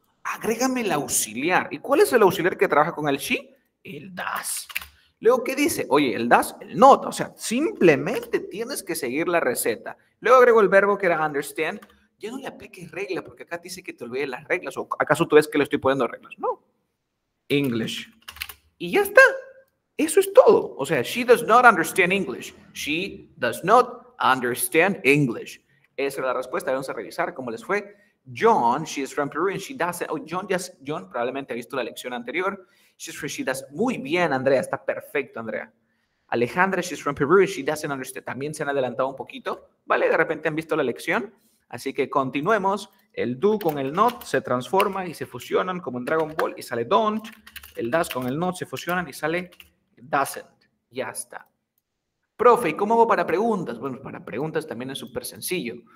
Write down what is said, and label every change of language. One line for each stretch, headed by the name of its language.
Spanish: Agrégame el auxiliar. ¿Y cuál es el auxiliar que trabaja con el she? El does. Luego, ¿qué dice? Oye, el does, el not. O sea, simplemente tienes que seguir la receta. Luego agrego el verbo que era understand. Ya no le apliques regla, porque acá dice que te olvides las reglas. ¿O acaso tú ves que le estoy poniendo reglas? No. English. Y ya está. Eso es todo. O sea,
English: she does not understand English. She does not understand English.
Spanish: Esa es la respuesta. Vamos a revisar cómo les fue.
English: John, she is from Peru and she doesn't.
Spanish: Oh, John probablemente ha visto la lección anterior.
English: She's from, she does.
Spanish: Muy bien, Andrea. Está perfecto, Andrea.
English: Alejandra, she's from Peru and she doesn't understand.
Spanish: También se han adelantado un poquito, ¿vale? De repente han visto la lección. Así que continuemos. El do con el not se transforma y se fusionan como en Dragon Ball y sale don't. El does con el not se fusionan y sale doesn't. Ya está. Profe, ¿y cómo hago para preguntas? Bueno, para preguntas también es súper sencillo.